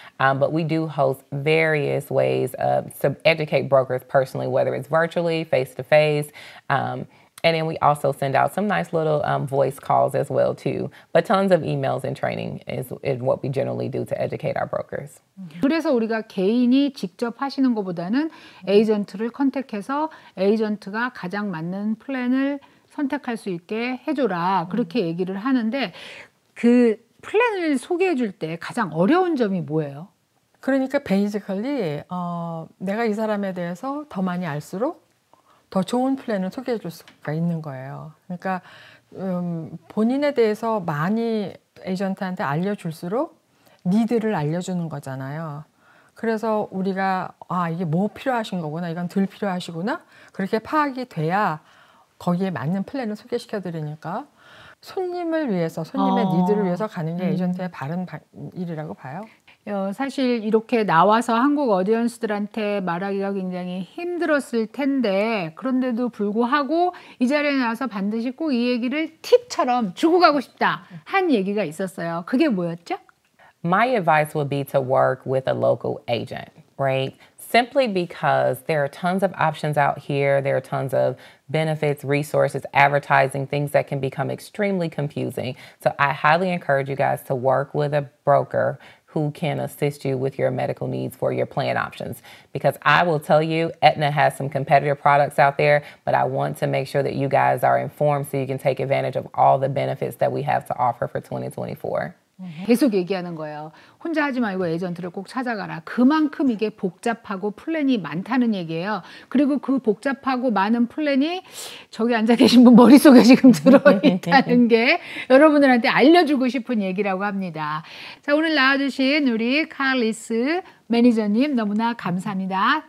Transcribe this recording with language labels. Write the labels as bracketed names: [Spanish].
[English] But we do host various ways to educate brokers personally, whether it's virtually, face-to-face, and then we also send out some nice little voice calls as well, too. But tons of emails and training is what we generally do to educate our brokers. [Korean] 그래서 우리가 개인이 직접 하시는 것보다는 에이전트를 컨택해서 에이전트가 가장 맞는 플랜을 선택할 수 있게 해줘라 그렇게 얘기를 하는데 그 플랜을 소개해 줄 때 가장 어려운 점이 뭐예요? 그러니까 basically 내가 이 사람에 대해서 더 많이 알수록 더 좋은 플랜을 소개해 줄 수가 있는 거예요. 그러니까 본인에 대해서 많이 에이전트한테 알려줄수록 니드를 알려주는 거잖아요. 그래서 우리가 아 이게 뭐 필요하신 거구나, 이건 덜 필요하시구나 그렇게 파악이 돼야 거기에 맞는 플랜을 소개시켜 드리니까 손님을 위해서 손님의 니드를 위해서 가는 게 에이전트의 바른 일이라고 봐요. 사실 이렇게 나와서 한국 어디언스들한테 말하기가 굉장히 힘들었을 텐데 그런데도 불구하고 이 자리에 나와서 반드시 꼭 이 얘기를 팁처럼 주고 가고 싶다 한 얘기가 있었어요. 그게 뭐였죠? [English] My advice would be to work with a local agent, right? Simply because there are tons of options out here. There are tons of benefits, resources, advertising, things that can become extremely confusing. So I highly encourage you guys to work with a broker who can assist you with your medical needs for your plan options. Because I will tell you, Aetna has some competitor products out there, but I want to make sure that you guys are informed so you can take advantage of all the benefits that we have to offer for 2024. [Korean] 계속 얘기하는 거예요. 혼자 하지 말고 에이전트를 꼭 찾아가라. 그만큼 이게 복잡하고 플랜이 많다는 얘기예요. 그리고 그 복잡하고 많은 플랜이 저기 앉아 계신 분 머릿속에 지금 들어있다는 게 여러분들한테 알려주고 싶은 얘기라고 합니다. 자, 오늘 나와주신 우리 칼리스 매니저님 너무나 감사합니다.